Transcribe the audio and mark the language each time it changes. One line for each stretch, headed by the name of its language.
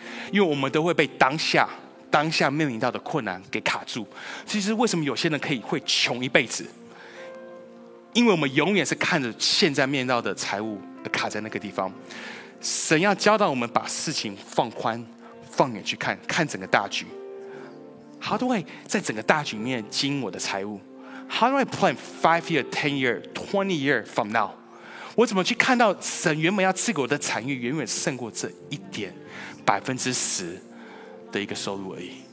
Chinese: 因为我们都会被当下面临到的困难给卡住。其实为什么有些人可以会穷一辈子，因为我们永远是看着现在面临到的财务而卡在那个地方。神要教导我们把事情放宽，放眼去看，看整个大局。
English: How do I
Chinese: 在整个大局里面经营我的财务？
English: How do I plan 5 year, 10 year, 20 year from now?
Chinese: 我怎么去看到神原本要赐给我的产业远远胜过这一点10%的一个收入而已。